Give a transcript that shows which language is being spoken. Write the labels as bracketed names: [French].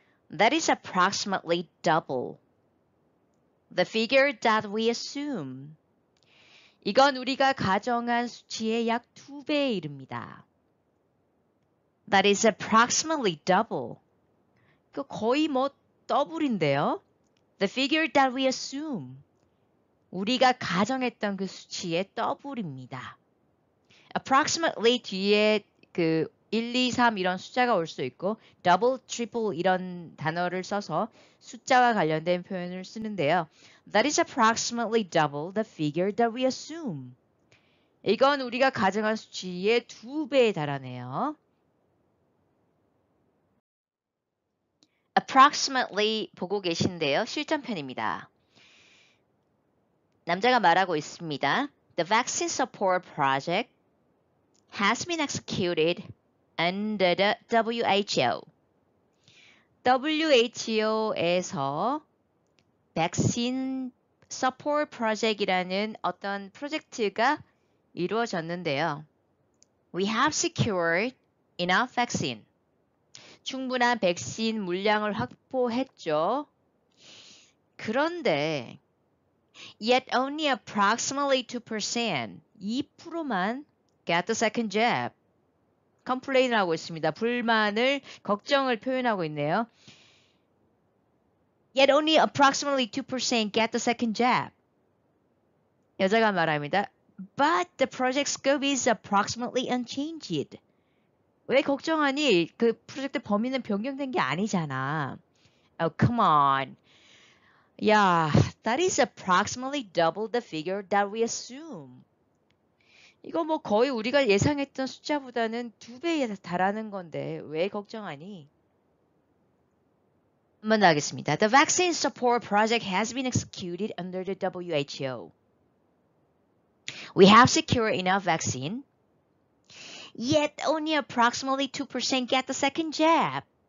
[English] That is approximately double the figure that we assume. [Korean] 이건 우리가 가정한 수치의 약두 배에 이릅니다. [English] That is approximately double. [Korean] 그 거의 뭐 더블인데요. [English] The figure that we assume. [Korean] 우리가 가정했던 그 수치의 더블입니다. Approximately 뒤에 그 1, 2, 3 이런 숫자가 올 수 있고 [English] double, triple [Korean] 이런 단어를 써서 숫자와 관련된 표현을 쓰는데요. [English] That is approximately double the figure that we assume. [Korean] 이건 우리가 가정한 수치의 두 배에 달하네요. approximately 보고 계신데요. 실전편입니다. 남자가 말하고 있습니다. [English] The vaccine support project has been executed under the WHO. [Korean] WHO에서 [English] vaccine support project [Korean] 이라는 어떤 프로젝트가 이루어졌는데요. [English] We have secured enough vaccine. [Korean] 충분한 백신 물량을 확보했죠. 그런데 [English] yet only approximately 2%, [Korean] 2%만 [English] get the second jab. [Korean] 컴플레인을 하고 있습니다. 불만을, 걱정을 표현하고 있네요. [English] yet only approximately 2% get the second jab. [Korean] 여자가 말합니다. [English] But the project scope is approximately unchanged. [Korean] 왜 걱정하니? 그 프로젝트 범위는 변경된 게 아니잖아. [English] Oh, come on. Yeah, that is approximately double the figure that we assume. [Korean] 이거 뭐 거의 우리가 예상했던 숫자보다는 두 배에 달하는 건데 왜 걱정하니? 한번 하겠습니다. [English] The vaccine support project has been executed under the WHO. We have secured enough vaccine. Yet only approximately 2% get the second jab.